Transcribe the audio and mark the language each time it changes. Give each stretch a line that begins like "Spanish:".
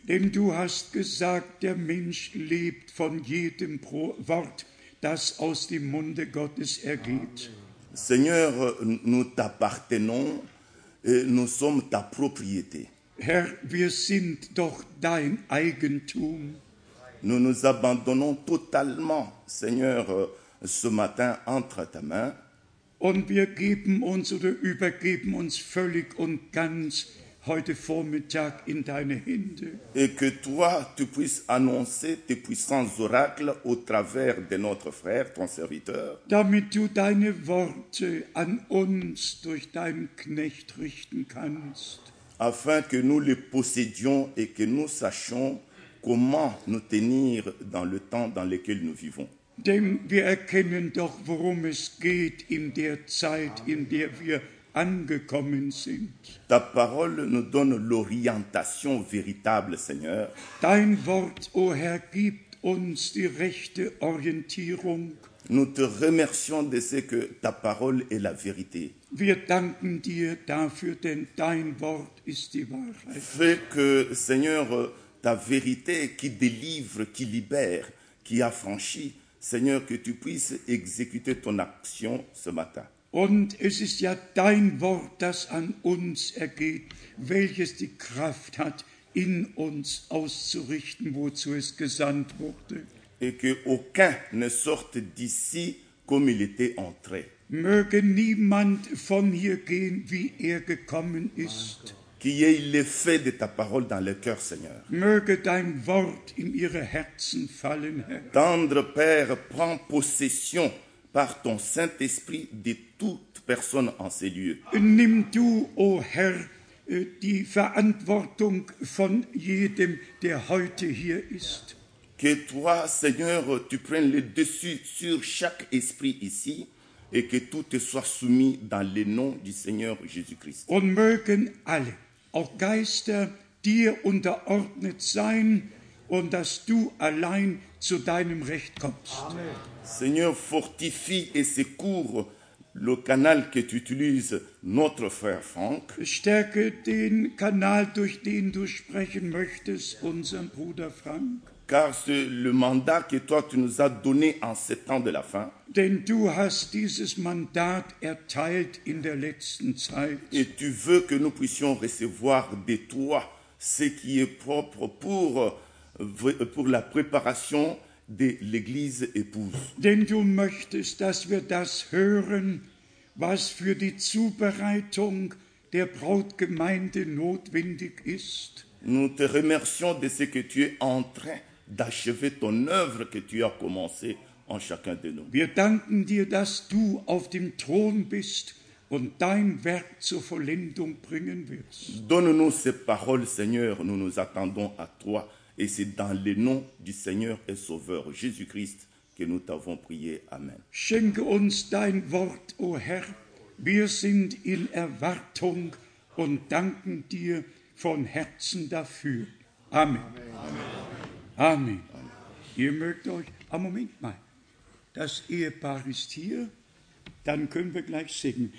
German: Denn du hast gesagt, der Mensch lebt von jedem Wort, das aus dem Munde Gottes ergeht.
French: Seigneur, nous t'appartenons et nous sommes ta propriété.
German: Herr, wir sind doch dein Eigentum.
French: Nous nous abandonnons totalement, Seigneur, ce matin entre ta main.
German: Und wir geben uns oder übergeben uns völlig und ganz heute Vormittag in deine Hände.
French: Et que toi, tu puisses annoncer tes puissants oracles au travers de notre frère, ton serviteur.
German: Damit du deine Worte an uns durch deinen Knecht richten kannst.
French: Afin que nous les possédions et que nous sachions comment nous tenir dans le temps dans lequel nous vivons.
German: Denn wir erkennen doch, worum es geht in der Zeit, in der wir angekommen sind.
French: Ta parole nous donne l'orientation véritable, Seigneur.
German: Dein Wort, ô Herr, gibt uns die rechte Orientierung.
French: Nous te remercions de ce que ta parole est la vérité.
German: Wir danken dir dafür, denn dein Wort ist die Wahrheit.
French: Fais que, Seigneur, ta vérité qui délivre, qui libère, qui affranchit, Seigneur, que tu puisses exécuter ton action ce matin.
German: Und es ist ja dein Wort, das an uns ergeht, welches die Kraft hat, in uns auszurichten, wozu es gesandt wurde.
French: Et que aucun ne sorte d'ici comme il était entré.
German: Möge niemand von hier gehen, wie gekommen ist.
French: Qu'il y ait l'effet de ta parole dans le cœur, Seigneur.
German: Möge dein Wort in ihre Herzen fallen, Herr.
French: Tendre Père, prends possession par ton Saint-Esprit de toute personne en ces lieux.
German: Nimm du, ô Herr, die Verantwortung von jedem, der heute hier ist.
French: Que toi, Seigneur, tu prennes le dessus sur chaque esprit ici. Et que tout te soit soumis dans le nom du Seigneur Jésus-Christ.
German: Und mögen alle, auch Geister, dir unterordnet sein und dass du allein zu deinem Recht kommst. Amen.
French: Seigneur, fortifie et secours le canal que tu utilises, notre frère Frank.
German: Stärke den Kanal, durch den du sprechen möchtest, unserem Bruder Frank.
French: Car c'est le mandat que toi tu nous as donné en ces temps de la fin.
German: Denn du hast dieses Mandat erteilt in der letzten Zeit.
French: Et tu veux que nous puissions recevoir de toi ce qui est propre pour la préparation de l'Église épouse.
German: Denn du möchtest, dass wir das hören, was für die Zubereitung der Brautgemeinde notwendig ist.
French: Nous te remercions de ce que tu es en train d'achever ton œuvre que tu as commencé en chacun de nous.
German: Wir danken dir, dass du auf dem Thron bist und dein Werk zur Vollendung bringen wirst.
French: Donne-nous ces paroles, Seigneur, nous nous attendons à toi, et c'est dans le nom du Seigneur et Sauveur Jésus-Christ que nous t'avons prié. Amen.
German: Schenke uns dein Wort, o Herr. Wir sind in Erwartung und danken dir von Herzen dafür. Amen. Amen. Amen. Ihr mögt euch, Moment mal, das Ehepaar ist hier, dann können wir gleich singen.